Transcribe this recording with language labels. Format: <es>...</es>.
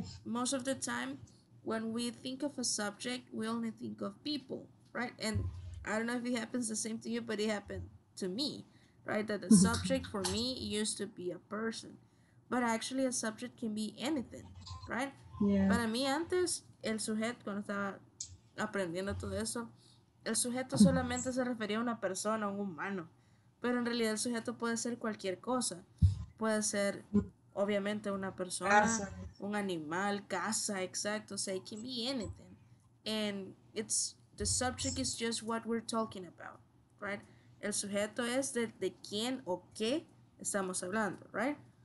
<en>Most of the time, when we think of a subject, we only think of people, right? And I don't know if it happens the same to you, but it happened to me, right? That the subject for me used to be a person. But actually, a subject can be anything, right? Yeah.</en> <es>Para mí antes, el sujeto, cuando estaba aprendiendo todo eso, el sujeto solamente se refería a una persona, a un humano. Pero en realidad el sujeto puede ser cualquier cosa. Puede ser, obviamente, una persona, un animal, casa, exacto. O sea,</es> <en>it can be anything. And it's The subject is just what we're talking about, right?</en> <es>El sujeto es de quién o qué estamos hablando, right?</es>